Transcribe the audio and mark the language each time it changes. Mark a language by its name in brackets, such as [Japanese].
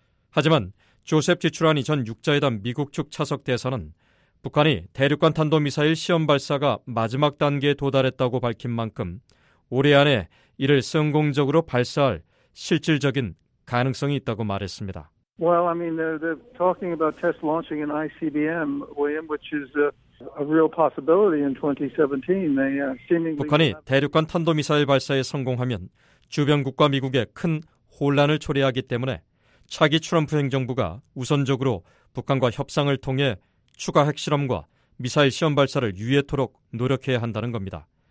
[Korean] 하지만 조셉 지출하니 전 6자회담 미국 측 차석 대사는 북한이 대륙간 탄도미사일 시험 발사가 마지막 단계에 도달했다고 밝힌 만큼 올해 안에 이를 성공적으로 발사할 실질적인 가능성이 있다고 말했습니다. [English] Well, I mean, they're talking about test launching an ICBM, which is a real possibility in 2017. They seemingly [Korean] 북한이 대륙간 탄도미사일 발사에 성공하면 주변국과 미국에 큰 혼란을 초래하기 때문에 차기 트럼프 행정부가 우선적으로 북한과 협상을 통해 추가 핵실험과 미사일 시험 발사를 유예토록 노력해야 한다는 겁니다.